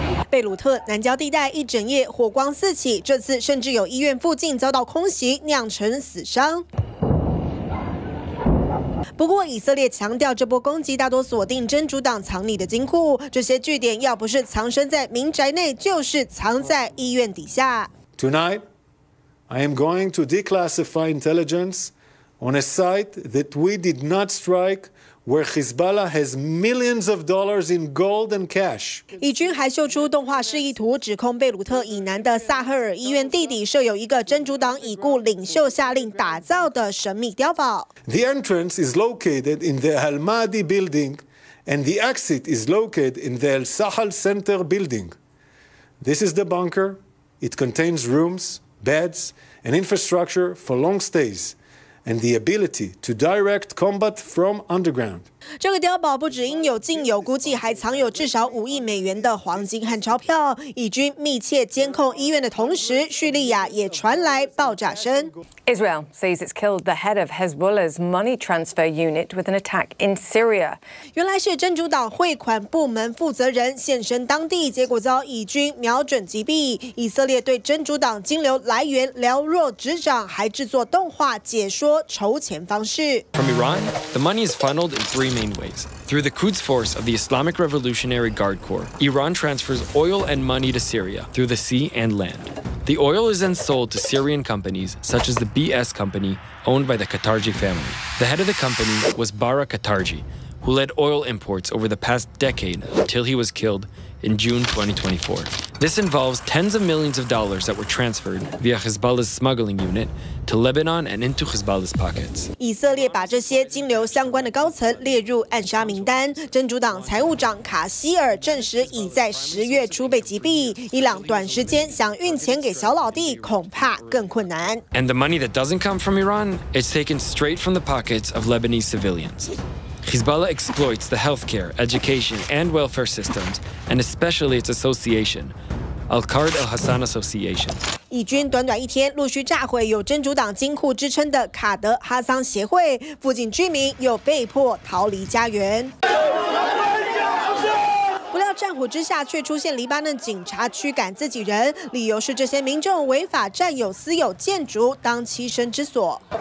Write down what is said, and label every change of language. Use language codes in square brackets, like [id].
[zh] 贝鲁特南郊地带一整夜火光四起，这次甚至有医院附近遭到空袭酿成死伤。不过以色列强调，这波攻击大多锁定真主党藏匿的金库，这些据点要不是藏身在民宅内，就是藏在医院底下。 [en] Tonight, I am going to declassify intelligence on a site that we did not strike, where Hezbollah has millions of dollars in gold and cash. [zh] 以军还秀出动画示意图，指控贝鲁特以南的萨赫尔医院地底设有一个真主党已故领袖下令打造的神秘碉堡。 [en] The entrance is located in the Al-Mahdi building, and the exit is located in the Al-Sahal Center building. This is the bunker. It contains rooms, beds, and infrastructure for long stays, and the ability to direct combat from underground. [zh] 这个碉堡不只应有尽有，估计还藏有至少5亿美元的黄金和钞票。以军密切监控医院的同时，叙利亚也传来爆炸声。 [en] Israel says it's killed the head of Hezbollah's money transfer unit with an attack in Syria. [zh] 原来是真主党汇款部门负责人现身当地，结果遭以军瞄准击毙。以色列对真主党金流来源了若指掌，还制作动画解说筹钱方式。 [en] From Iran, the money is funneled in three main ways. Through the Quds Force of the Islamic Revolutionary Guard Corps, Iran transfers oil and money to Syria through the sea and land. The oil is then sold to Syrian companies such as the BS company owned by the Khatarji family. The head of the company was Bara Khatarji, who led oil imports over the past decade until he was killed in June 2024. This involves tens of millions of dollars that were transferred via Hezbollah's smuggling unit. To Lebanon and into Hezbollah's pockets. [zh] 以色列把这些金流相关的高层列入暗杀名单。真主党财务长卡希尔证实已在10月初被击毙。伊朗短时间想运钱给小老弟，恐怕更困难。 [en] And the money that doesn't come from Iran is taken straight from the pockets of Lebanese civilians. Hezbollah exploits the healthcare, education, and welfare systems, and especially its association. Al-Qaeda Al-Hassan Association. [zh] 以军短短一天陆续炸毁有真主党金库支撑的卡德哈桑协会，附近居民又被迫逃离家园。不料战火之下，却出现黎巴嫩警察驱赶自己人，理由是这些民众违法占有私有建筑当栖身之所。